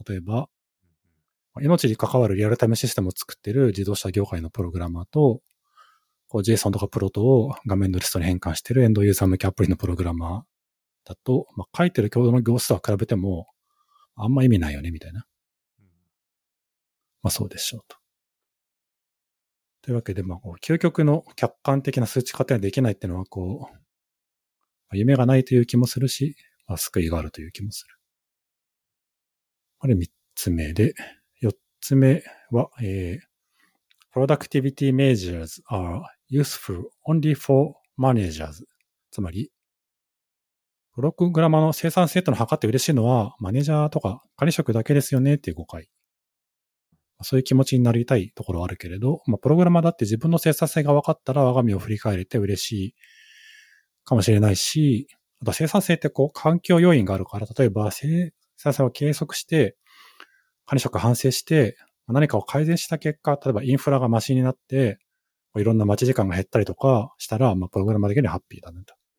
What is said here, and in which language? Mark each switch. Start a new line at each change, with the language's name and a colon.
Japanese: 例えば、命に関わるリアルタイムシステムを作ってる自動車業界のプログラマーと、こう JSON とかプロトを画面のリストに変換してるエンドユーザー向けアプリのプログラマーだと、まあ、書いてる共同の行数とは比べても、あんま意味ないよね、みたいな。まあそうでしょう、と。というわけで、まあ、究極の客観的な数値化ってはできないっていうのは、こう、夢がないという気もするし、まあ、救いがあるという気もする。これ三つ目で、四つ目は、
English: productivity measures are useful only for managers。
Japanese: つまり、プログラマーの生産性というのを測って嬉しいのは、マネージャーとか管理職だけですよねっていう誤解。そういう気持ちになりたいところはあるけれど、まあ、プログラマーだって自分の生産性が分かったら我が身を振り返れて嬉しいかもしれないし、あと生産性ってこう環境要因があるから、例えば生産性を計測して、管理職反省して、何かを改善した結果、例えばインフラがマシになって、いろんな待ち時間が減ったりとかしたら、まあ、プログラマー的にハッピーだねと。